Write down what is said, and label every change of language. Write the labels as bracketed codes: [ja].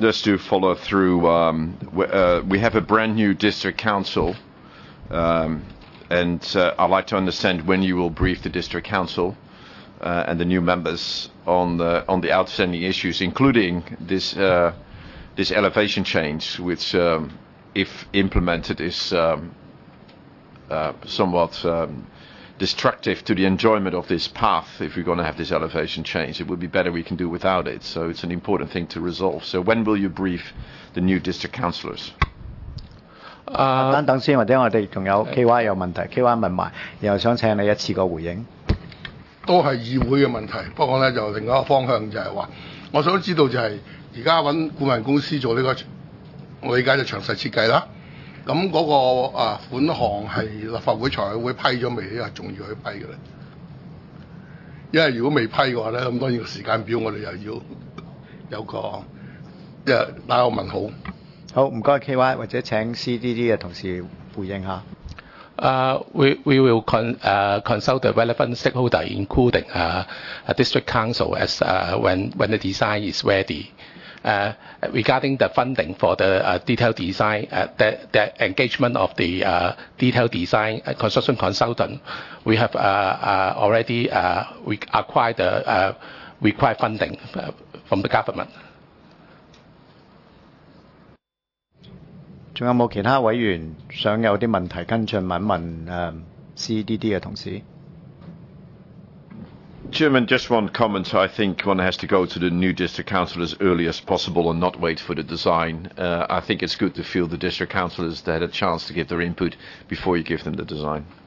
[en] Just to follow through, we have a brand new district council, and I'd like to understand when you will brief the district council and the new members on the outstanding issues, including this elevation change, which, if implemented, is somewhat destructive to the enjoyment of this path. If we're going to have this elevation change, it would be better we can do without it. So it's an important thing to resolve. So when will you brief the new district councillors? [yue] 等等先，或者我哋仲有 KY 有問題 ，KY 問埋，然後想請你一次過回應。都是議會的問題，不過呢就另一個方向，就是說我想知道，就是現在找顧問公司做這個我理解的詳細設計啦，那那個、啊、款項是立法會財委會批了未，還是重要去批的呢？因為如果未批的話呢，那當然時間表我們又要有個打個問號。好，麻煩 KY 或者請 CDD 的同事回應一下。 [en] We will consult the relevant stakeholder, including a district council, as when the design is ready. Regarding the funding for the detailed design, the engagement of the detailed design construction consultant, we have already acquired the required funding from the government. [yue] 還有沒有其他委員想有些問題跟進問一問CDD 的同事？ [en] Chairman, just one comment. I think one has to go to the new district council as early as possible and not wait for the design. I think it's good to feel the district councillors that had a chance to give their input before you give them the design.